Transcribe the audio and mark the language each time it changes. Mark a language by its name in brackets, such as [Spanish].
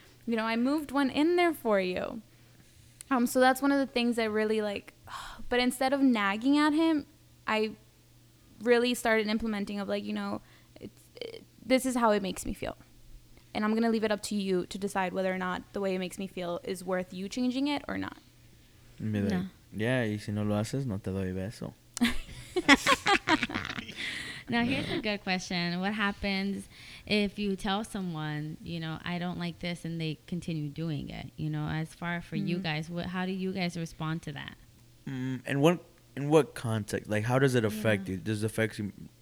[English] You know, I moved one in there for you. So that's one of the things I really like. But instead of nagging at him, I really started implementing of like, you know, this is how it makes me feel. And I'm going to leave it up to you to decide whether or not the way it makes me feel is worth you changing it or not. Yeah. [Spanish] Yeah, y si no lo haces, no te doy beso. [English] Now, here's a good question. What happens if you tell someone, you know, I don't like this, and they continue doing it? You know, as far for you guys, how do you guys respond to that? In what context? Like, how does it affect you? Does it affect you?